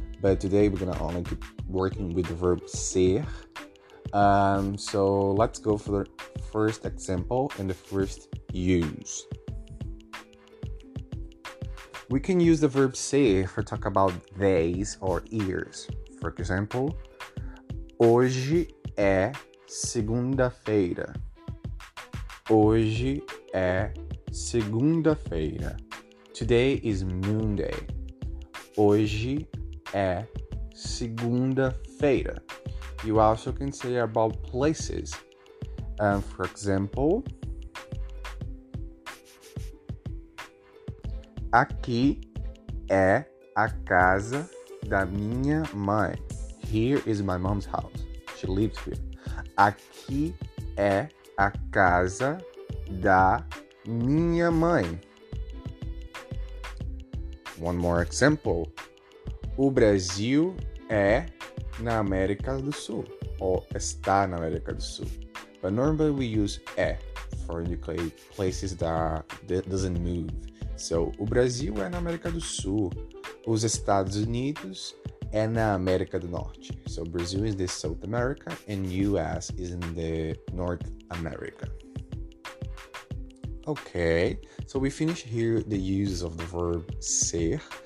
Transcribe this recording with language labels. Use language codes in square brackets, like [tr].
[en] But today, we're gonna only keep working with the verb ser. So, let's go for the first example and the first use. We can use the verb ser for talk about days or years. For example, [pt] hoje é segunda-feira. Hoje é segunda-feira. [en] Today is Monday. [pt] Hoje é segunda-feira. [en] You also can say about places. For example, [pt] aqui é a casa da minha mãe. [en] Here is my mom's house. She lives here. [pt] Aqui é a casa da minha mãe. [en] One more example. [pt] O Brasil é na América do Sul. Ou está na América do Sul. [en] But normally we use é for indicate places that doesn't move. [pt] So, o Brasil é na América do Sul. Os Estados Unidos é na América do Norte. [en] So, Brazil is the South America and US is in the North America. Okay, so we finish here the uses of the verb ser.